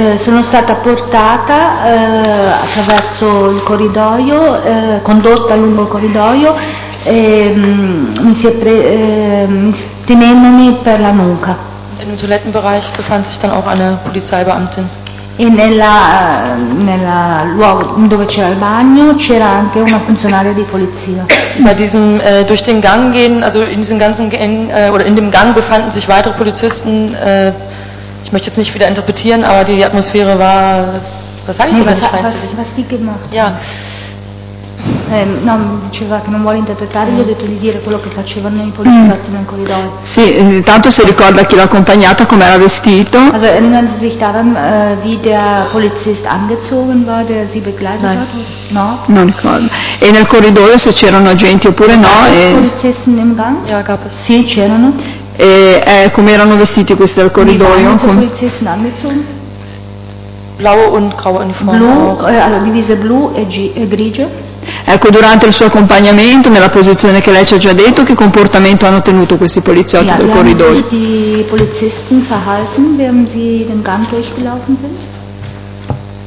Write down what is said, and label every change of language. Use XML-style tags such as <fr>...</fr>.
<it>Sono stata portata attraverso il corridoio, condotta lungo il corridoio, tenendomi per la nuca.</it> <de>Im Toilettenbereich befand sich dann auch eine Polizeibeamtin.</de> <it>E nella luogo dove c'era il bagno c'era anche una funzionaria di polizia.</it> <de>Bei diesem durch den Gang gehen, also in diesem ganzen Gang oder in dem Gang befanden sich weitere Polizisten. Ich möchte jetzt nicht wieder interpretieren, aber die Atmosphäre war, was sage ich denn, was die gemacht? Ja.</de> <it>Non diceva che non vuole interpretare, gli ho detto di dire quello che facevano i poliziotti nel corridoio. Sì, intanto si ricorda chi l'ha accompagnata, come era vestito.</it> <de>Also erinnern Sie sich daran, wie der Polizist angezogen war, der Sie begleitet Nein. hat? No?</de> <it>Non ricordo. E nel corridoio se c'erano agenti oppure no?</it> <de>Polizisten im Gang? Ja, gab es.</de> <it>Sì, c'erano. E come erano vestiti questi al corridoio?</it> <de>Blaue und graue Uniformen.</de> <it>Blu, allora divise blu e grigio. Ecco, durante il suo accompagnamento, nella posizione che lei ci ha già detto, che comportamento hanno tenuto questi poliziotti del corridoio?</it> <de>Wie haben sich die Polizisten verhalten, während sie den Gang durchgelaufen sind?</de>